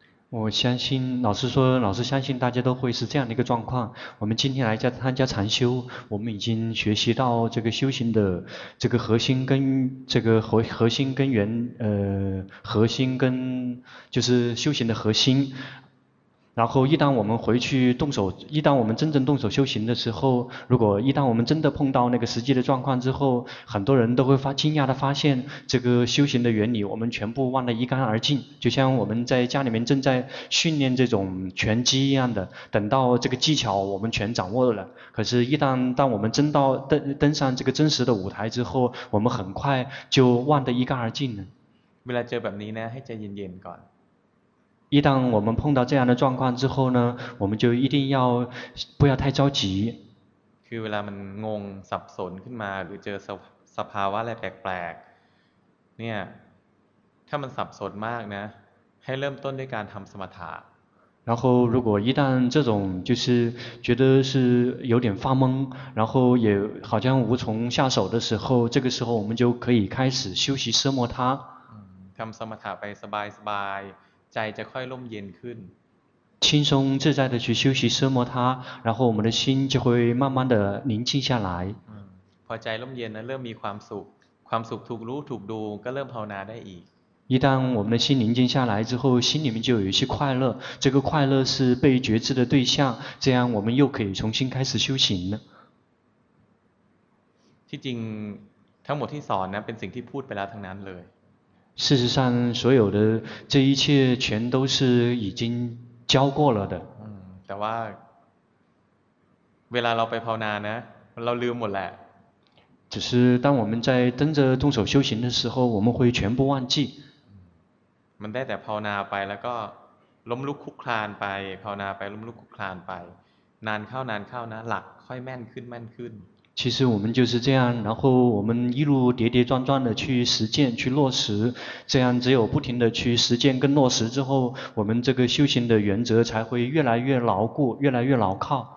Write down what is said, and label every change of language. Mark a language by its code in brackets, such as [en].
[zh] 我相信老师说老师相信大家都会是这样的一个状况我们今天来参加禅修我们已经学习到这个修行的这个核心跟这个 核心根源核心跟就是修行的核心然后一旦我们回去动手，一旦我们真正动手修行的时候，如果一旦我们真的碰到那个实际的状况之后，很多人都会发惊讶地发现这个修行的原理我们全部忘得一干而净，就像我们在家里面正在训练这种拳击一样的，等到这个技巧我们全掌握了，可是一旦当我们真到 登上这个真实的舞台之后，我们很快就忘得一干而净了。 [th] เวลาเจอแบบนี้นะให้ใจเย็นๆก่อน。 [zh] 一旦我们碰到这样的状况之后呢，我们就一定要不要太着急。 [th] คือเวลามันงงสับสนขึ้นมาหรือเจอสภาวะอะไรแปลกๆเนี่ยถ้ามันสับสนมากนะให้เริ่มต้นด้วยการทำสมถะ。 [zh] 然后如果一旦这种就是觉得是有点发懵，然后也好像无从下手的时候，这个时候我们就可以开始修习奢摩他。 [th] ทำสมถะไปสบายสบายใจจะค่อยร่มเย็นขึ้น [zh] 轻松自在地去修习奢摩他，然后我们的心就会慢慢的宁静下来。 [th] พอใจร่มเย็นนะเริ่มมีความสุขความสุขถูกรู้ถูกดูก็เริ่มภาวนาได้อีก [zh] 一旦我们的心宁静下来之后，心里面就有一些快乐，这个快乐是被觉知的对象，这样我们又可以重新开始修行了。 [th] ที่จริงทั้งหมดที่สอนนะเป็นสิ่งที่พูดไปแล้วทั้งนั้นเลย [zh] 事实上所有的这一切全都是已经教过了的。 [th] แต่ว่าเวลาเราไปภาวนานะเราลืมหมดแหละ [zh] 只是当我们在真正动手修行的时候我们会全部忘记。 [th] มันได้แต่ภาวนาไปแล้วก็ล้มลุกคลุกคลานไปภาวนาไปล้มลุกคลุกคลานไปนานเข้านานเข้านะหลักค่อยแม่นขึ้นแม่นขึ้น [zh] 其实我们就是这样，然后我们一路跌跌撞撞的去实践去落实，这样只有不停的去实践跟落实之后，我们这个修行的原则才会越来越牢固，越来越牢靠。